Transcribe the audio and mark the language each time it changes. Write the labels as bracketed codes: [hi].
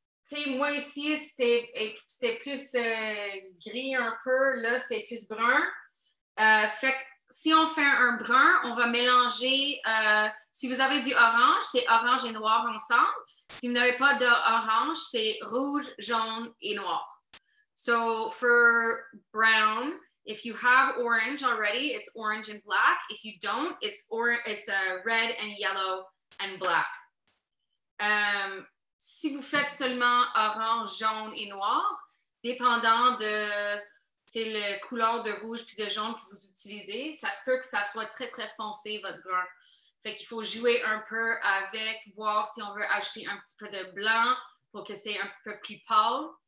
[fr] Tu sais, moi ici, c'était plus gris un peu, là, c'était plus brun. Fait que si on fait un brun, on va mélanger, si vous avez du orange, c'est orange et noir ensemble. Si vous n'avez pas d'orange, c'est rouge, jaune et noir. [en] So, for brown, if you have orange already, it's orange and black. If you don't, it's red and yellow and black. [fr] Si vous faites seulement orange, jaune et noir, dépendant de la couleur de rouge puis de jaune que vous utilisez, ça se peut que ça soit très, très foncé, votre brun. Fait qu'il faut jouer un peu avec, voir si on veut ajouter un petit peu de blanc pour que c'est un petit peu plus pâle.